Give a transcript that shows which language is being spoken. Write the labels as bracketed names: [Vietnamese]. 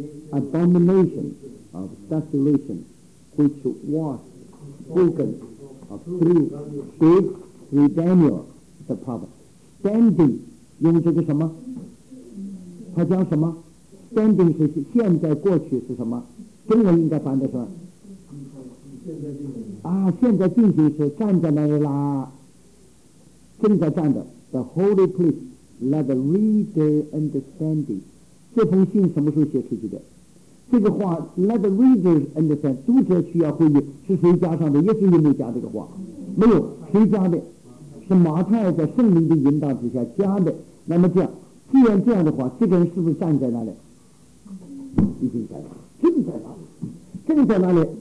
[English] Abomination of desolation, which was spoken of through Daniel the prophet, standing, [Chinese] 用这个什么？他讲什么 ？Standing 是现在过去是什么？中文应该翻的是？现在进行时站在那里啦，正在站着。 [English] The holy place, let the reader understand it. [Chinese] 这封信什么时候写出去的？这个话 [English] let the readers understand， [Chinese] 读者需要会议是谁加上的，耶稣有没有加这个话？没有，谁加的？是马太在圣灵的引导之下加的。那么这样，既然这样的话，这个人是不是站在那里？已经站了，正在那里，正在那里。